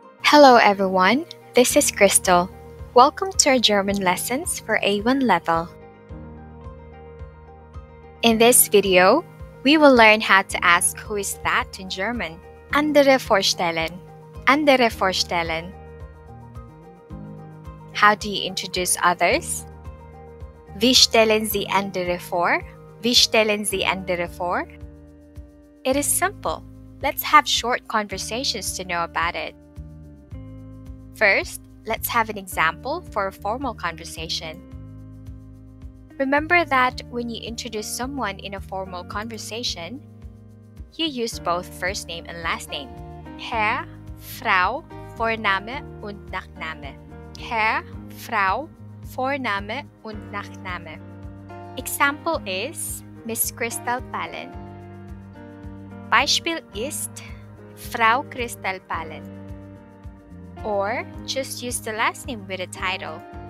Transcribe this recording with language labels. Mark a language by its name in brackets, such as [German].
[English] Hello everyone, this is Crystal. Welcome to our German lessons for A1 level. In this video, we will learn how to ask who is that in German. [German] Andere vorstellen. Andere vorstellen. [English] How do you introduce others? [German] Wie stellen Sie andere vor? Wie stellen Sie andere vor? [English] It is simple. Let's have short conversations to know about it. First, let's have an example for a formal conversation. Remember that when you introduce someone in a formal conversation, you use both first name and last name. [German] Herr, Frau, Vorname und Nachname. Herr, Frau, Vorname und Nachname. [English] Example is Miss Crystal Palin. [German] Beispiel ist Frau Crystal Palin. [English] Or just use the last name with a title.